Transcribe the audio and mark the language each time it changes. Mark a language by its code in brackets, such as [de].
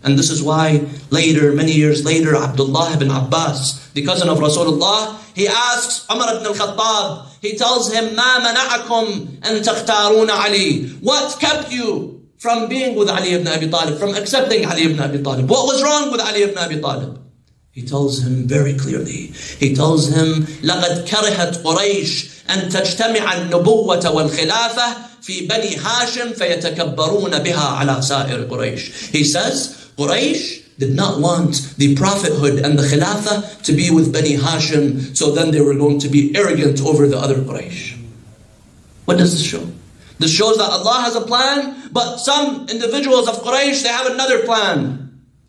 [en] And this is why later, many years later, Abdullah ibn Abbas, the cousin of Rasulullah, he asks Umar ibn al-Khattab, he tells him, [ar] مَا مَنَعَكُمْ أَن تَخْتَارُونَ عَلِي? [en] What kept you from being with Ali ibn Abi Talib, from accepting Ali ibn Abi Talib? What was wrong with Ali ibn Abi Talib? He tells him very clearly. He tells him, [ar] لَقَدْ كَرِهَتْ قُرَيْشِ أَن تَجْتَمِعَ النُّبُوَّةَ وَالْخِلَافَةَ فِي بَنِي هَاشِمْ فَيَتَكَبَّرُونَ بِهَا عَلَى سَائِرِ قُرَيْشِ. [en] He says, Quraysh did not want the prophethood and the khilafah to be with Bani Hashim, so then they were going to be arrogant over the other Quraysh. What does this show? This shows that Allah has a plan, but some individuals of Quraysh, they have another plan.